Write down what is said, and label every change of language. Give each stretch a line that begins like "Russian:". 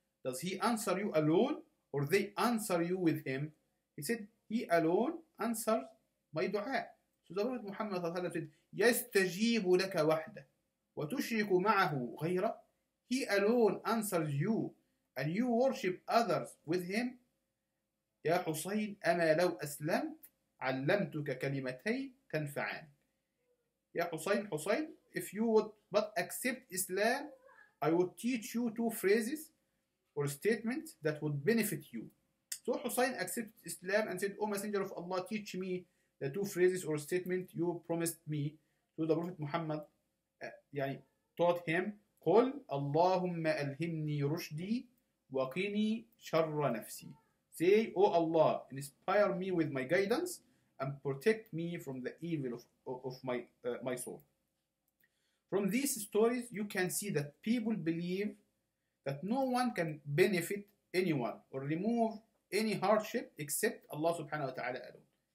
English: Does he answer you alone or they answer you with him? He said, he alone answers my dua. So the Prophet Muhammad said,
Arabic: يَسْتَجِيبُ لَكَ وَحْدَ وَتُشْرِكُ مَعَهُ غَيْرَ?
English: He alone answers you and you worship others with him.
Arabic: يا حسين أما لو أسلمت علمتك كلمتين تنفعان. يا حسين, حسين,
English: if you would but accept Islam, I would teach you two phrases or statements that would benefit you. So Hussein accepted Islam and said, O Messenger of Allah, teach me the two phrases or statement you promised me. So the Prophet Muhammad taught him,
Arabic: قل اللهم ألهمني رشدي وقني شر نفسي.
English: Say, O Allah, inspire me with my guidance and protect me from the evil of my soul. From these stories, you can see that people believe that no one can benefit anyone or remove any hardship except Allah subhanahu wa ta'ala alone.